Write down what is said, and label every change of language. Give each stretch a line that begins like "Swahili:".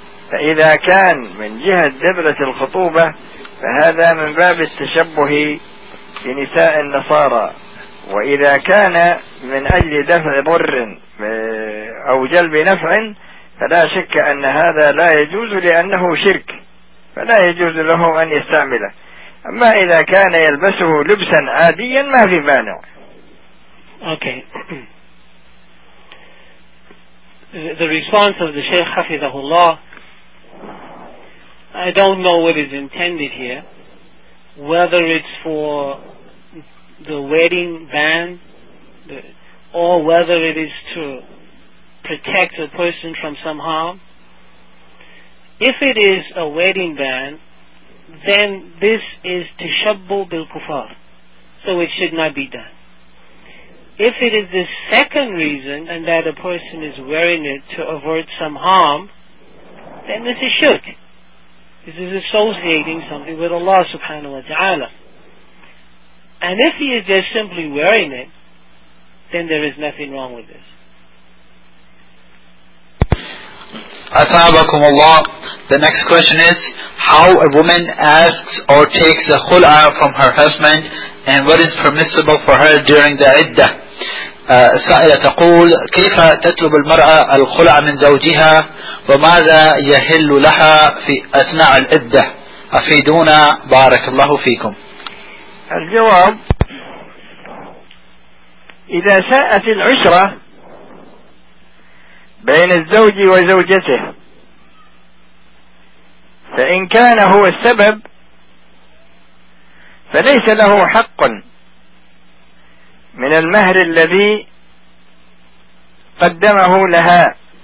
Arabic: فإذا كان من جهة دبلة الخطوبة فهذا من باب التشبه بنساء النصارى, وإذا كان من أجل دفع ضر أو جلب نفع فلا شك أن هذا لا يجوز, لأنه شرك فلا يجوز له أن يستعمله. أما إذا كان يلبسه لبسا عاديا ما في مانع.
English: Okay. The response of the Sheikh حفظه الله, I don't know what is intended here, whether it's for the wedding band or whether it is to protect a person from some harm. If it is a wedding band, then this is tashabbuh bil kufar, so it should not be done. If it is the second reason, and that a person is wearing it to avert some harm, then this is shirk. This is associating something with Allah subhanahu wa ta'ala. And if he is just simply wearing it, then there is nothing wrong with this. Asalaamu Allah. The next question is, how a woman asks or takes a khul'ah from her husband, and what is permissible for her during the iddah?
Arabic: سائلة تقول, كيف تطلب المرأة الخلع من زوجها وماذا يهل لها في أثناء العدة؟ أفيدونا بارك الله فيكم. الجواب, إذا ساءت العشرة بين الزوج وزوجته فإن كان هو السبب فليس له حق من المهر الذي قدمه لها,